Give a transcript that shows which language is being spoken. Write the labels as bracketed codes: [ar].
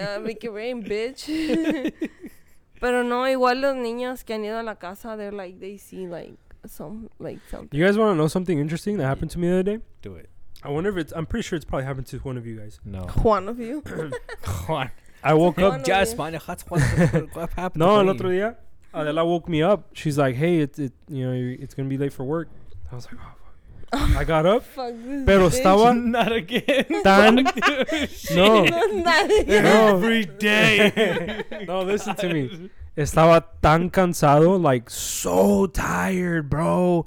[en] Yeah, make it rain, bitch. [es] Pero no, igual los niños que han ido a la casa, [en] they're like, they see like, some like something. You guys want to know something interesting that happened to me the other day? Do it. I wonder if it's, I'm pretty sure it's probably happened to one of you guys. No. One of you. Juan. I woke up. Just what happened? [es] No, el otro día, Adela [en] woke me up. She's like, hey, it you know, it's gonna be late for work. I was like, oh fuck. I got up. Fuck this. [es] Pero estaba [en] not again. [es] Tan no. [en] No. Every day. No, listen to me. [es] Estaba tan cansado, [en] like so tired, bro.